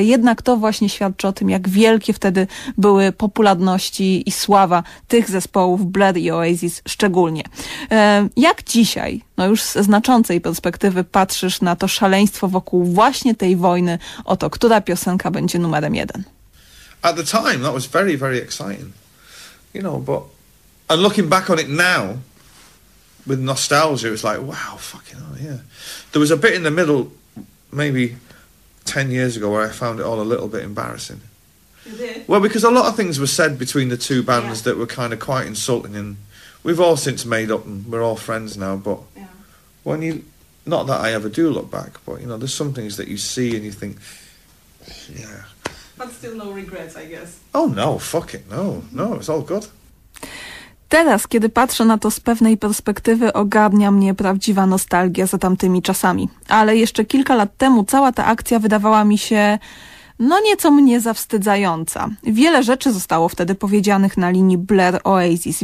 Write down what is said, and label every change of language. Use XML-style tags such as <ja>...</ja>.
<pl>Ale jednak to właśnie świadczy o tym, jak wielkie wtedy były popularności i sława tych zespołów, Blur i Oasis szczególnie. Jak dzisiaj, no już z znaczącej perspektywy, patrzysz na to szaleństwo wokół właśnie tej wojny o to, która piosenka będzie numerem jeden?</pl> <en>At the time, that was very, very exciting. You know, but, and looking back on it now, with nostalgia, it's like, wow, fucking hell, yeah. There was a bit in the middle, maybe 10 years ago, where I found it all a little bit embarrassing. Well, because a lot of things were said between the two bands that were kind of quite insulting, and we've all since made up and we're all friends now, but when you, not that I ever do look back, but you know, there's some things that you see and you think, yeah. But still no regrets, I guess. Oh no, fuck it, no, no, it's all good.</en> <pl>Teraz, kiedy patrzę na to z pewnej perspektywy, ogarnia mnie prawdziwa nostalgia za tamtymi czasami. Ale jeszcze kilka lat temu cała ta akcja wydawała mi się, no nieco mnie zawstydzająca. Wiele rzeczy zostało wtedy powiedzianych na linii Blur Oasis.</pl>